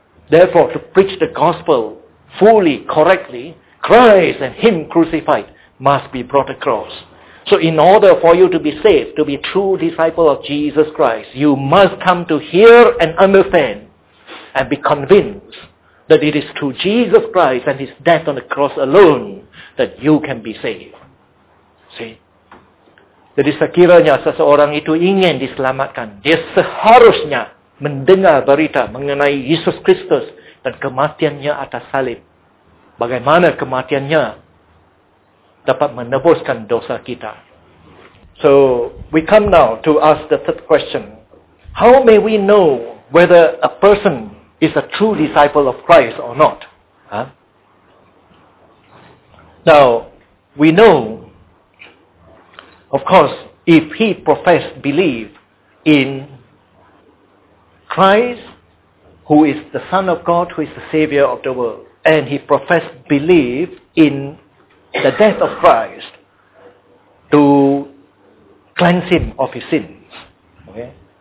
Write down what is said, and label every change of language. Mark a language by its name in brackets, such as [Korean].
[English] Therefore, to preach the gospel fully, correctly, Christ and Him crucified must be brought across. So in order for you to be saved, to be true disciple of Jesus Christ, you must come to hear and understand and be convinced that it is through Jesus Christ and His death on the cross alone that you can be saved. See? [Malay] Jadi sekiranya seseorang itu ingin diselamatkan, dia seharusnya mendengar berita mengenai Yesus Kristus dan kematiannya atas salib. Bagaimana kematiannya dapat menebuskan dosa kita. [English] So, we come now to ask the third question. How may we know whether a person is a true disciple of Christ or not? Huh? Now, we know, of course, if he professed belief in Christ, who is the Son of God, who is the Savior of the world, and he professed belief in the death of Christ to cleanse him of his sins. Okay.